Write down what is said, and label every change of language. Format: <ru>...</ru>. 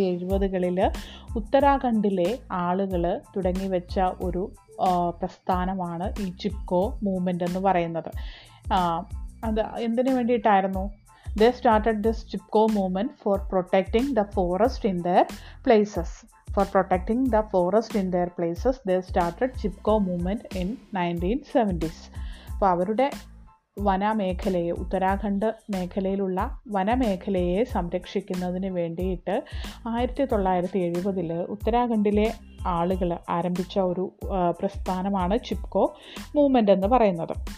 <ml>1970s ഉത്തരാഖണ്ഡിലെ ആളുകൾ തുടങ്ങി വെച്ച ഒരു പ്രസ്ഥാനമാണ് ഈ ചിപ്കോ മൂവ്മെൻറ്റ് എന്ന് പറയുന്നത്. അത് എന്തിനു വേണ്ടിയിട്ടായിരുന്നു?</ml> <en>They started this Chipko movement for protecting the forest in their places. For protecting the forest in their places, they started Chipko movement in 1970s.</en> <ml>അപ്പോൾ അവരുടെ വനമേഖലയെ, ഉത്തരാഖണ്ഡ് മേഖലയിലുള്ള വനമേഖലയെ സംരക്ഷിക്കുന്നതിന് വേണ്ടിയിട്ട് 1970s ഉത്തരാഖണ്ഡിലെ ആളുകൾ ആരംഭിച്ച ഒരു പ്രസ്ഥാനമാണ് ചിപ്കോ മൂവ്മെൻ്റ് എന്ന് പറയുന്നത്.</ml>